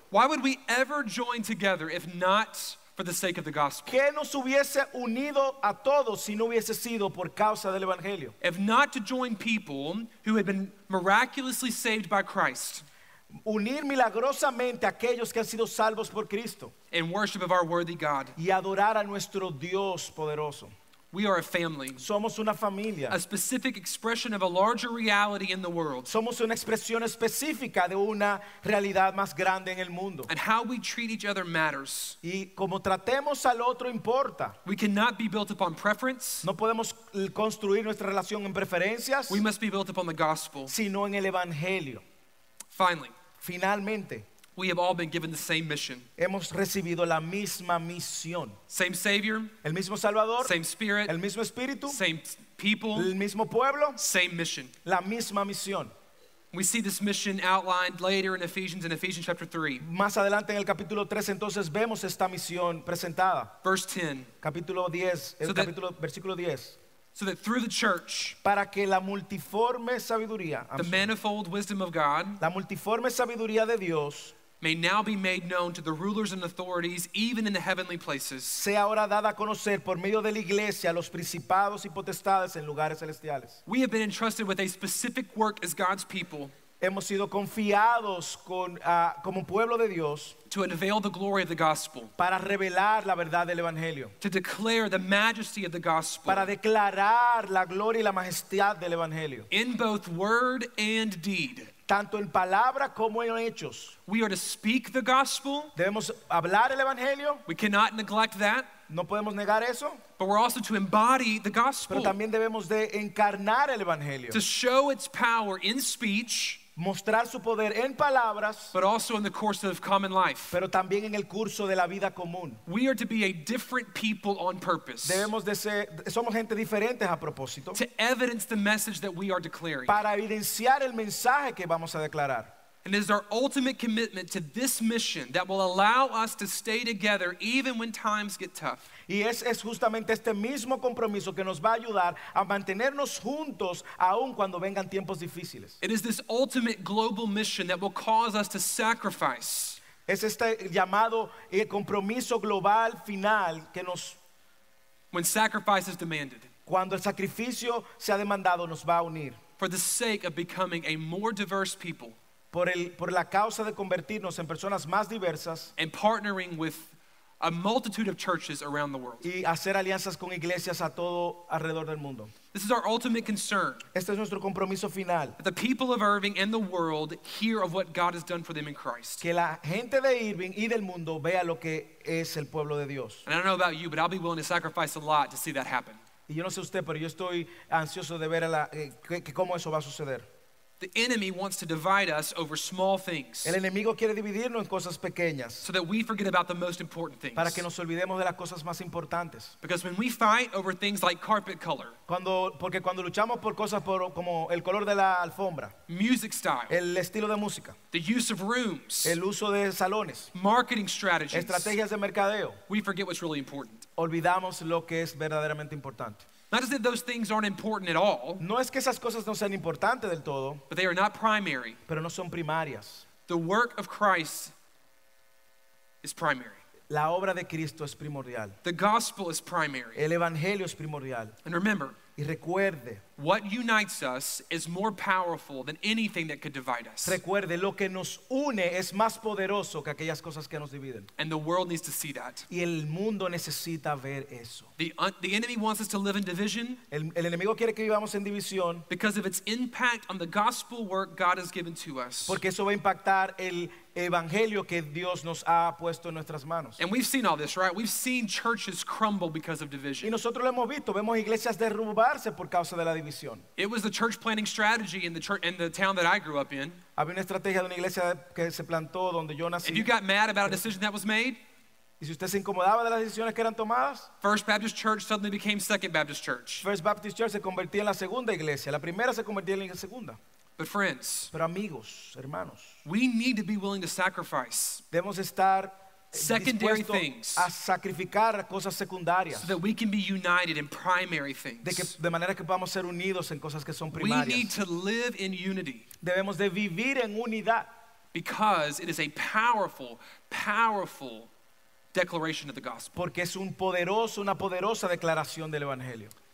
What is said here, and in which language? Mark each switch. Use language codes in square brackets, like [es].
[en] Why would we ever join together if not for the sake of the gospel? [es] ¿Qué nos hubiese unido a todos si no hubiese sido por causa del evangelio? [en] If not to join people who had been miraculously saved by Christ. [es] Unir milagrosamente a aquellos que han sido salvos por Cristo. [en] In worship of our worthy God. [es] Y adorar a nuestro Dios poderoso. [en] We are a family. [es] Somos una familia. [en] A specific expression of a larger reality in the world. [es] Somos una expresión específica de una realidad más grande en el mundo. [en] And how we treat each other matters. [es] Y como tratemos al otro importa. [en] We cannot be built upon preference. [es] No podemos construir nuestra relación en preferencias. [en] We must be built upon the gospel. [es] Sino en el evangelio. [en] Finally. [es] Finalmente. [en] We have all been given the same mission. [es] Hemos recibido la misma misión. [en] Same Savior. [es] El mismo Salvador. [en] Same Spirit. [es] El mismo Espíritu. [en] Same people. [es] El mismo pueblo. [en] Same mission. [es] La misma misión. [en] We see this mission outlined later in Ephesians chapter 3. [es] Más adelante en el capítulo 3 entonces vemos esta misión presentada. [en] Verse 10. [es] Capítulo 10. El capítulo, versículo 10. [en] So that through the church, [es] para que la multiforme sabiduría, [en] the manifold wisdom of God, [es] la multiforme sabiduría de Dios, [en] may now be made known to the rulers and authorities, even in the heavenly places, [es] sea ahora dada a conocer por medio de la iglesia a los principados y potestades en lugares celestiales. [en] We have been entrusted with a specific work as God's people. [es] Hemos sido confiados con, como pueblo de Dios, [en] to unveil the glory of the gospel, [es] para revelar la verdad del evangelio, [en] to declare the majesty of the gospel, [es] para declarar la gloria y la majestad del evangelio, [en] in both word and deed, [es] tanto en palabra como en hechos. [en] We are to speak the gospel. [es] Debemos hablar el evangelio. [en] We cannot neglect that. [es] No podemos negar eso. [en] But we're also to embody the gospel. [es] Pero también debemos de encarnar el evangelio. [en] To show its power in speech. [es] Mostrar su poder en palabras. [en] But also in the course of common life. [es] Pero también en el curso de la vida común. [en] We are to be a different people on purpose. [es] Debemos de ser, somos gente diferentes a propósito. [en] To evidence the message that we are declaring. [es] Para evidenciar el mensaje que vamos a declarar. [en] And it is our ultimate commitment to this mission that will allow us to stay together even when times get tough. [es] Y es justamente este mismo compromiso que nos va a ayudar a mantenernos juntos aun cuando vengan tiempos difíciles. [en] It is this ultimate global mission that will cause us to sacrifice. [es] Es este llamado compromiso global final que nos... [en] When sacrifice is demanded. [es] Cuando el sacrificio se ha demandado nos va a unir. [en] For the sake of becoming a more diverse people. [es] Por la causa de convertirnos en personas más diversas, [en] and partnering with a multitude of churches around the world, [es] y hacer alianzas con iglesias a todo alrededor del mundo. [en] This is our ultimate concern. [es] Este es nuestro compromiso final. [en] That the people of Irving and the world hear of what God has done for them in Christ. [es] Que la gente de Irving y del mundo vea lo que es el pueblo de Dios. [en] And I don't know about you, but I'll be willing to sacrifice a lot to see that happen. [es] Y yo no sé usted, pero yo estoy ansioso de ver cómo eso va a suceder. [en] The enemy wants to divide us over small things. [es] El enemigo quiere dividirnos en cosas pequeñas. [en] So that we forget about the most important things. [es] Para que nos olvidemos de las cosas más importantes. [en] Because when we fight over things like carpet color. [es] Porque cuando luchamos por cosas como el color de la alfombra. [en] Music style. [es] El estilo de música. [en] The use of rooms. [es] El uso de salones. [en] Marketing strategies. [es] Estrategias de mercadeo. [en] We forget what's really important. [es] Olvidamos lo que es verdaderamente importante. [en] Not as if those things aren't important at all. [es] No es que esas cosas no sean importantes del todo. [en] But they are not primary. [es] Pero no son primarias. [en] The work of Christ is primary. [es] La obra de Cristo es primordial. [en] The gospel is primary. [es] El evangelio es primordial. [en] And remember. [es] Y recuerde. [en] What unites us is more powerful than anything that could divide us. [es] Recuerde, lo que nos une es más poderoso que aquellas cosas que nos dividen. [en] And the world needs to see that. [es] Y el mundo necesita ver eso. [en] The enemy wants us to live in division. [es] El enemigo quiere que vivamos en división. [en] Because of its impact on the gospel work God has given to us. [es] Porque eso va a impactar el evangelio que Dios nos ha puesto en nuestras manos. [en] And we've seen all this, right? We've seen churches crumble because of division. [es] Y nosotros lo hemos visto, vemos iglesias derrumbarse por causa de la división. [en] It was the church planting strategy in the town that I grew up in. [es] Había una estrategia de una iglesia que se plantó donde yo nací. [en] If you got mad about a decision that was made, [es] y si usted se incomodaba de las decisiones que eran tomadas, [en] First Baptist Church suddenly became Second Baptist Church. [es] First Baptist Church se convertía en la segunda iglesia, la primera se convertía en la segunda. [en] But friends, [es] pero amigos, hermanos, [en] we need to be willing to sacrifice. [es] Debemos estar [en] secondary things [es] a sacrificar cosas secundarias, [en] so that we can be united in primary things. [es] De manera que podamos ser unidos en cosas que son primarias. [en] We need to live in unity. [es] Debemos de vivir en unidad. [en] Because it is a powerful, powerful declaration of the gospel. [es] Porque es un poderoso, una poderosa declaración del evangelio.